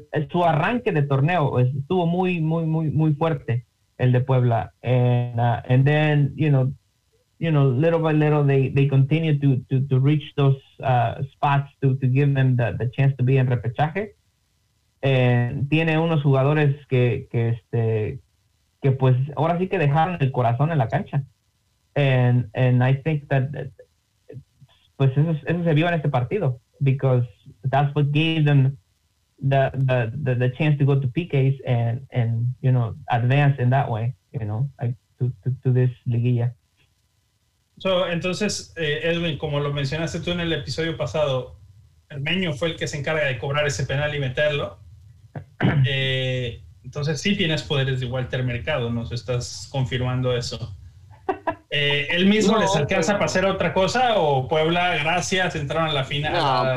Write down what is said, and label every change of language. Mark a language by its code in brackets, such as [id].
[es] Su arranque de torneo estuvo muy muy muy muy fuerte el de Puebla. [en] And then you know little by little they continue to reach those spots to give them the chance to be in repechaje. [es] Tiene unos jugadores que pues ahora sí que dejaron el corazón en la cancha. [en] And I think that [es] pues eso se vio en este partido, [en] because that's what gave them the chance to go to PKs and you know advance in that way, you know, to this liguilla. [es] So entonces Edwin, como lo mencionaste tú en el episodio pasado, Hermeño fue el que se encarga de cobrar ese penal y meterlo. Entonces sí tienes poderes de Walter Mercado, nos estás confirmando eso. ¿Él mismo no, les alcanza pero... para hacer otra cosa o Puebla, gracias, entraron a la final?